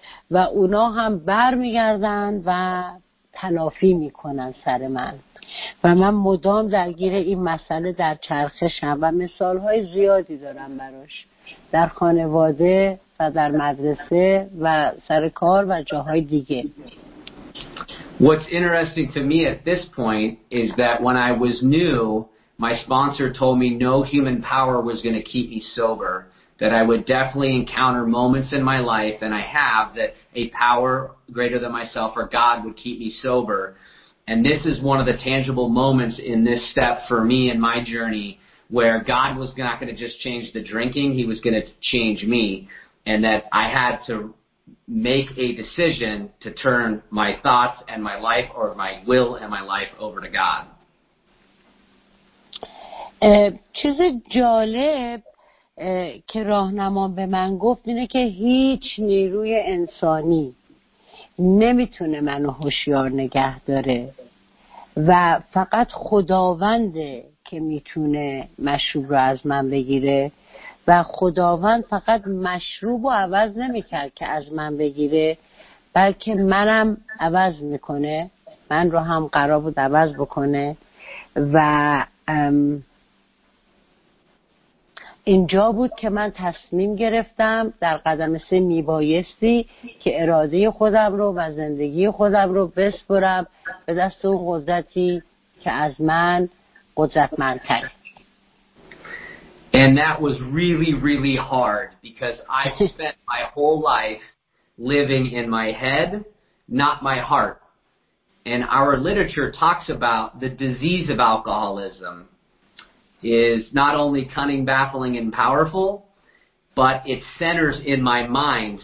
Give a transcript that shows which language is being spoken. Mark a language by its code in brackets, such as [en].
[fa] و اونا هم بر میگردن و تلافی میکنن سر من و من مدام درگیر این مسئله در چرخشم و مثالهای زیادی دارم براش در خانواده و در مدرسه و سر کار و جاهای دیگه. [en] What's interesting to me at this point is that when I was new, my sponsor told me no human power was going to keep me sober. That I would definitely encounter moments in my life, and I have, that a power greater than myself or God would keep me sober. And this is one of the tangible moments in this step for me in my journey where God was not going to just change the drinking, he was going to change me, and that I had to make a decision to turn my thoughts and my life or my will and my life over to God. [fa] که راهنمام به من گفت اینه که هیچ نیروی انسانی نمیتونه منو هوشیار نگه داره و فقط خداونده که میتونه مشروب رو از من بگیره و خداوند فقط مشروب رو عوض نمیکرد که از من بگیره، بلکه منم عوض میکنه، من رو هم قرار بود عوض بکنه. و اینجا بود که من تصمیم گرفتم در قدم سه میبایستی که اراده خودم رو و زندگی خودم رو بسپرم به دست اون قدرتی که از من قدرتمندتره. [en] And that was really, really hard because I spent my whole life living in my head, not my heart. And our literature talks about the disease of alcoholism is not only cunning, baffling, and powerful, but it centers in my mind.